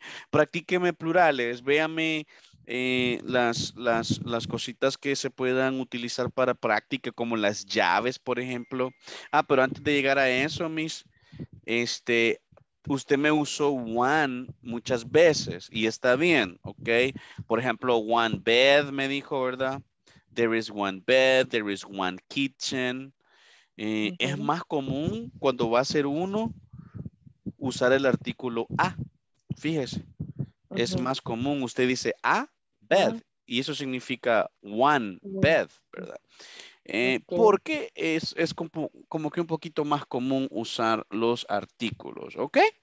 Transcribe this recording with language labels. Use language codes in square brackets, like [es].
[es] Practíqueme plurales. Véame las cositas que se puedan utilizar para práctica, como las llaves, por ejemplo. Ah, pero antes de llegar a eso, Miss. Usted me usó one muchas veces y está bien, ok. Por ejemplo, one bed me dijo, ¿verdad? [en] There is one bed, there is one kitchen. Uh-huh. [es] Es más común cuando va a ser uno usar el artículo a. Fíjese, uh-huh. Es más común. Usted dice a bed uh-huh. y eso significa one bed, ¿verdad? Okay. Porque es como que un poquito más común usar los artículos, ¿ok?